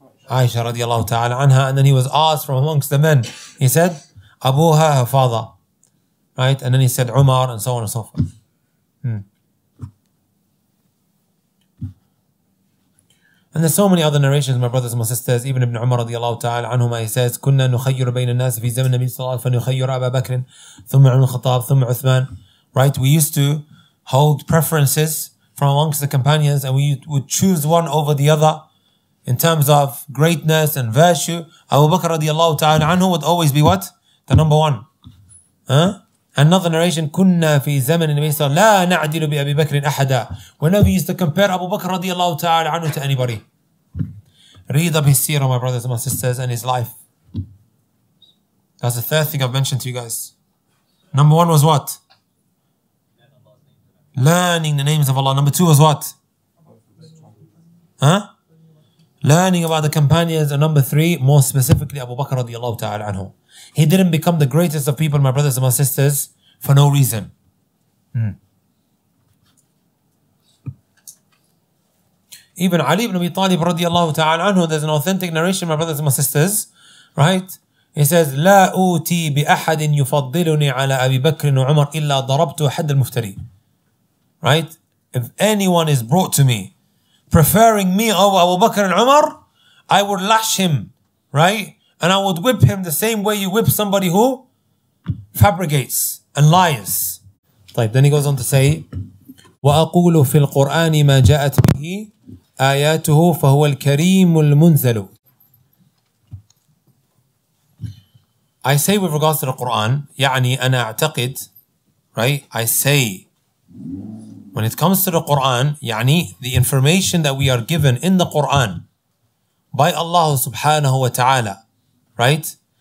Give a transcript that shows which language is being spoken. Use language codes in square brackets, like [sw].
[en] Aisha radiallahu ta'ala anha. And then he was asked from amongst the men. He said, [ar] أَبُوهَا [en] her father. Right? And then he said, Umar, and so on and so forth. And there's so many other narrations, my brothers and my sisters. Even Ibn Umar radiallahu ta'ala anhuma, he says, [ar] كنا نخير بين الناس في زمن النبي صلى الله عليه وسلم فنخير أبا بكر ثم عمر الخطاب ثم عثمان. [en] Right? We used to hold preferences from amongst the companions and we would choose one over the other in terms of greatness and virtue. Abu Bakr radiallahu ta'ala anhu would always be what? The number one. Huh? Another narration, [ar] كنا في زمن النبي صلى الله عليه وسلم لا نعدل بأبي بكر أحدا. [en] Whenever he used to compare Abu Bakr radiallahu ta'ala anhu to anybody. Read up his seerah, my brothers and my sisters, and his life. That's the third thing I've mentioned to you guys. Number one was what? Learning the names of Allah. Number two was what? Huh? Learning about the companions. And number three, more specifically, Abu Bakr radiallahu ta'ala anhu. He didn't become the greatest of people, my brothers and my sisters, for no reason. Even Ali ibn Abi Talib radiallahu ta'ala anhu, there's an authentic narration, my brothers and my sisters, right? He says, [ar] لا أوتي بأحد يفضلني على أبي بكر وعمر إلا ضربت حد المفتري. [en] Right? If anyone is brought to me preferring me over Abu Bakr and Umar, I would lash him, right? And I would whip him the same way you whip somebody who fabricates and lies. [ar] طيب, [en] then he goes on to say, [ar] وَأَقُولُ فِي الْقُرْآنِ مَا جَاءَتْ بِهِ آيَاتُهُ فَهُوَ الْكَرِيمُ الْمُنْزَلُ. [en] I say with regards to the Qur'an, [ar] يعني أنا أعتقد, [en] right? I say, when it comes to the Qur'an, يعني the information that we are given in the Qur'an by Allah subhanahu wa ta'ala, right?